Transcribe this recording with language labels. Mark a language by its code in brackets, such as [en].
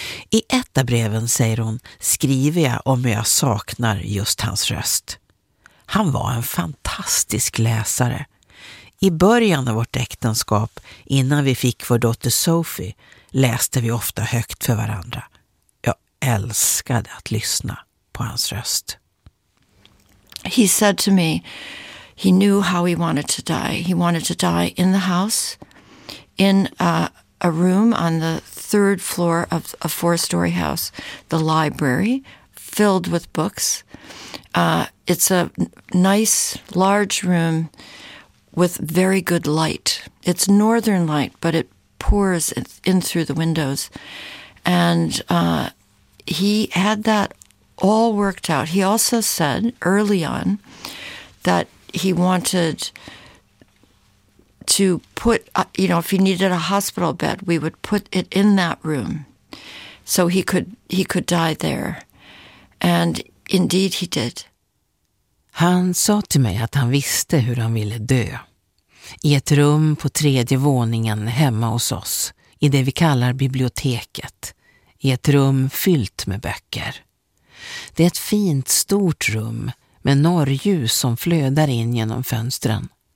[sv] I ett av breven, säger hon, skriver jag om hur jag saknar just hans röst. Han var en fantastisk läsare. I början av vårt äktenskap, innan vi fick vår dotter Sophie, läste vi ofta högt för varandra. Jag älskade att lyssna på hans röst. [en] He said to me, he knew how he wanted to die. He wanted to die in the house, in a room on the third floor of a 4-story house, the library, filled with books. It's a nice, large room with very good light. It's northern light, but it pours in through the windows. And he had that all worked out. He also said early on that he wanted to put, you know, if he needed a hospital bed, we would put it in that room so he could die there. And indeed he did. [sv] Han sa till mig att han visste hur han ville dö. I ett rum på tredje våningen hemma hos oss, i det vi kallar biblioteket. I ett rum fyllt med böcker. Det är ett fint stort rum med norrljus som flödar in genom fönstren.